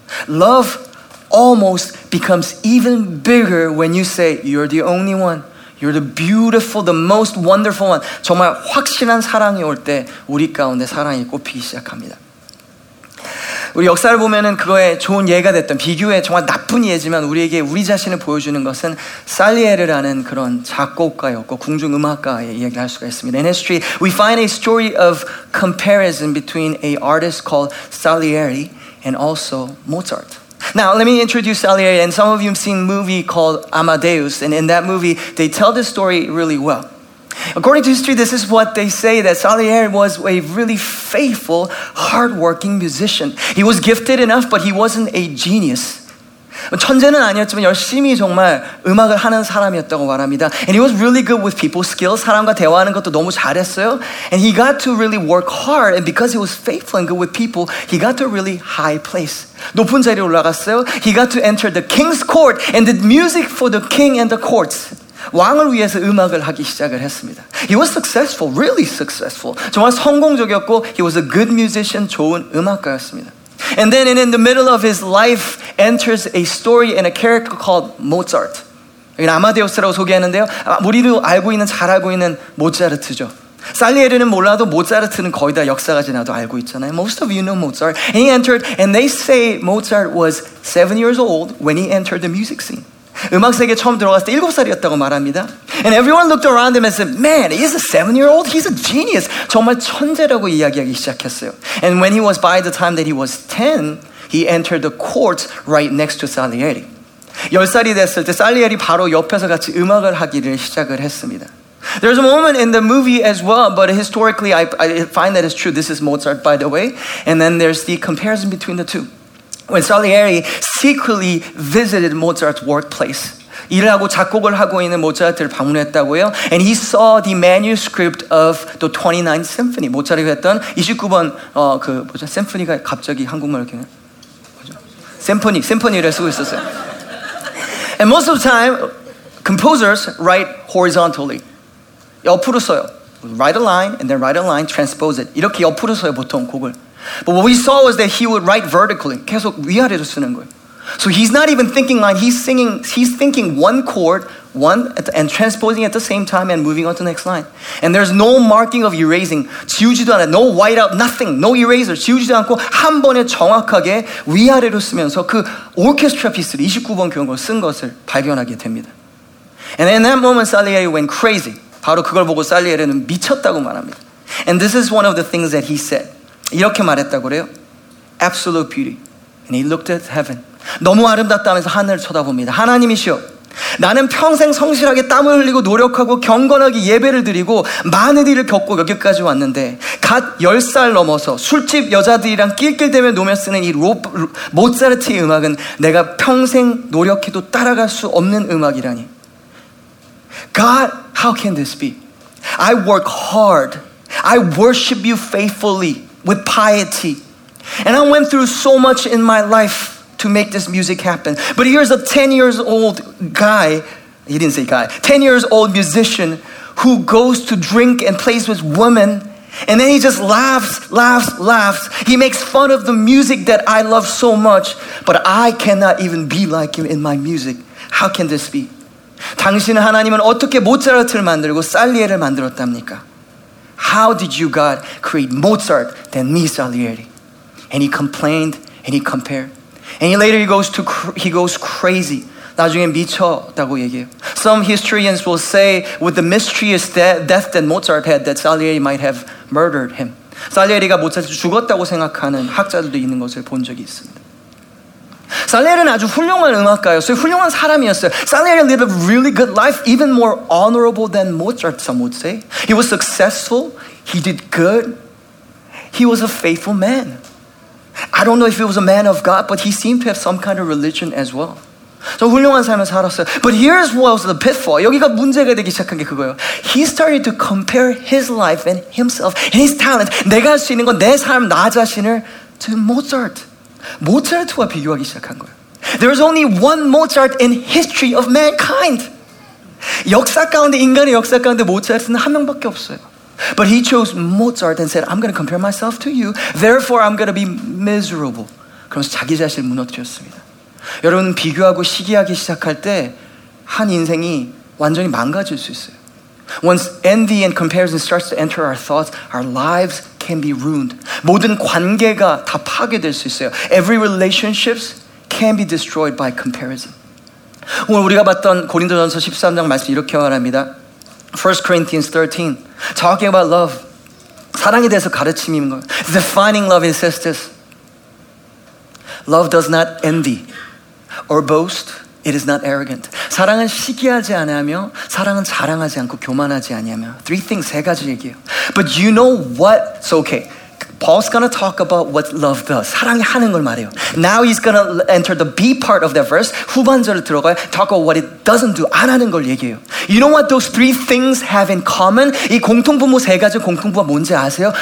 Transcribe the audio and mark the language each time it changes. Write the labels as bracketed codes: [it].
[en] Love almost becomes even bigger when you say you're the only one. You're the beautiful, the most wonderful one. [ko] 정말 확실한 사랑이 올 때 우리 가운데 사랑이 꽃피기 시작합니다. 우리 역사를 보면은 그거에 좋은 예가 됐던 비교에 정말 나쁜 예지만 우리에게 우리 자신을 보여주는 것은 살리에르라는 그런 작곡가였고 궁중 음악가의 이야기를 할 수가 있습니다. [en] In history, we find a story of comparison between an artist called Salieri and also Mozart. Now, let me introduce Salieri, and some of you have seen a movie called Amadeus, and in that movie, they tell this story really well. According to history, this is what they say, that Salieri was a really faithful, hardworking musician. He was gifted enough, but he wasn't a genius. [ko] 천재는 아니었지만 열심히 정말 음악을 하는 사람이었다고 말합니다. [en] And he was really good with people skills. [ko] 사람과 대화하는 것도 너무 잘했어요. [en] And he got to really work hard. And because he was faithful and good with people, he got to a really high place. [ko] 높은 자리에 올라갔어요. [en] He got to enter the king's court and did music for the king and the courts. [ko] 왕을 위해서 음악을 하기 시작을 했습니다. [en] He was successful, really successful. [ko] 정말 성공적이었고, [en] he was a good musician, [ko] 좋은 음악가였습니다. [en] And then in the middle of his life enters a story and a character called Mozart. [ko] 여기는 아마데우스라고 소개했는데요. 우리도 알고 있는, 잘 알고 있는 모차르트죠. 살리에르는 몰라도 모차르트는 거의 다 역사가 지나도 알고 있잖아요. [en] Most of you know Mozart. And he entered, and they say Mozart was 7 years old when he entered the music scene. [ko] 음악 세계 처음 들어갔을 때 7살이었다고 말합니다. [en] And everyone looked around him and said, man, he's a 7-year-old, he's a genius. [ko] 정말 천재라고 이야기하기 시작했어요. [en] And when he was, by the time that he was 10, he entered the court right next to Salieri. [ko] 10살이 됐을 때 살리에리 바로 옆에서 같이 음악을 하기를 시작을 했습니다. [en] There's a moment in the movie as well, but historically I find that it's true. This is Mozart, by the way. And then there's the comparison between the two. When Salieri secretly visited Mozart's workplace, [ko] 일을 하고 작곡을 하고 있는 모차르트를 방문했다고요. [en] And he saw the manuscript of the 29th symphony. [ko] 모차르트가 했던 29번 심포니가 갑자기 한국말로 이렇게 뭐죠? 심포니를 쓰고 있었어요. [en] And most of the time, composers write horizontally. [ko] 옆으로 써요. [en] Write a line and then write a line, transpose it. [ko] 이렇게 옆으로 써요 보통 곡을. [en] But what we saw was that he would write vertically. [ko] 계속 위아래로 쓰는 거예요. [en] So he's not even thinking line. He's singing, he's thinking one chord, one, and transposing at the same time and moving on to the next line. And there's no marking of erasing. [ko] 지우지도 않아요. [en] No whiteout, nothing. No eraser. [ko] 지우지도 않고 한 번에 정확하게 위아래로 쓰면서 그 오케스트라 피스를 29번 교향곡 쓴 것을 발견하게 됩니다. [en] And in that moment, Salieri went crazy. [ko] 바로 그걸 보고 살리에르는 미쳤다고 말합니다. [en] And this is one of the things that he said. [ko] 이렇게 말했다고 그래요. [en] Absolute beauty. And he looked at heaven. [ko] 너무 아름답다면서 하늘을 쳐다봅니다. 하나님이시여, 나는 평생 성실하게 땀을 흘리고 노력하고 경건하게 예배를 드리고 많은 일을 겪고 여기까지 왔는데 갓 10살 넘어서 술집 여자들이랑 낄낄대며 노며 쓰는 이 모차르트의 음악은 내가 평생 노력해도 따라갈 수 없는 음악이라니. [en] God, how can this be? I work hard. I worship you faithfully with piety. And I went through so much in my life to make this music happen. But here's a 10-year-old guy, he didn't say guy, 10-year-old musician who goes to drink and plays with women, and then he just laughs, laughs, laughs. He makes fun of the music that I love so much, but I cannot even be like him in my music. How can this be? [ko] 당신은 하나님은 어떻게 모차르트를 만들고 살리에를 만들었답니까? [en] How did you, God, create Mozart than me, Salieri? And he complained and he compared. And later he goes crazy. [ko] 나중에 미쳤다고 얘기해요. [en] Some historians will say with the mysterious death that Mozart had that Salieri might have murdered him. [ko] 살리에리가 모차르트 죽었다고 생각하는 학자들도 있는 것을 본 적이 있습니다. 살리에르는 아주 훌륭한 음악가였어요. 훌륭한 사람이었어요. [en] Salieri lived a really good life, even more honorable than Mozart, some would say. He was successful. He did good. He was a faithful man. I don't know if he was a man of God, but he seemed to have some kind of religion as well. [ko] 저 훌륭한 삶을 살았어요. [en] But here's what was the pitfall. [ko] 여기가 문제가 되기 시작한 게 그거예요. [en] He started to compare his life and himself and his talent. [ko] 내가 할 수 있는 건 내 삶, 나 자신을 [en] to Mozart. [ko] 모차르트와 비교하기 시작한 거예요. [en] There's only one Mozart in history of mankind. [ko] 역사 가운데, 인간의 역사 가운데 모차르트는 한 명밖에 없어요. [en] But he chose Mozart and said, I'm going to compare myself to you. Therefore, I'm going to be miserable. [ko] 그러면서 자기 자신을 무너뜨렸습니다. 여러분, 비교하고 시기하기 시작할 때 한 인생이 완전히 망가질 수 있어요. [en] Once envy and comparison starts to enter our thoughts, our lives can be ruined. [ko] 모든 관계가 다 파괴될 수 있어요. [en] Every relationship can be destroyed by comparison. [ko] 오늘 우리가 봤던 고린도전서 13장 말씀 이렇게 말합니다. [en] 1 Corinthians 13, talking about love. [ko] 사랑에 대해서 가르침인 거예요. [en] Defining love, it says this. Love does not envy or boast. It is not arrogant. [ko] 사랑은 시기하지 않으며 사랑은 자랑하지 않고 교만하지 않으며 [en] Three things, [ko] 세 가지 얘기예요. [en] But you know what? So okay, Paul's going to talk about what love does. [ko] 사랑이 하는 걸 말해요. [en] Now he's going to enter the B part of that verse. [ko] 후반절을 들어가요. [en] Talk about what it doesn't do. [ko] 안 하는 걸 얘기해요. [en] You know what those three things have in common? [ko] 이 공통분모 세 가지 공통부가 뭔지 아세요?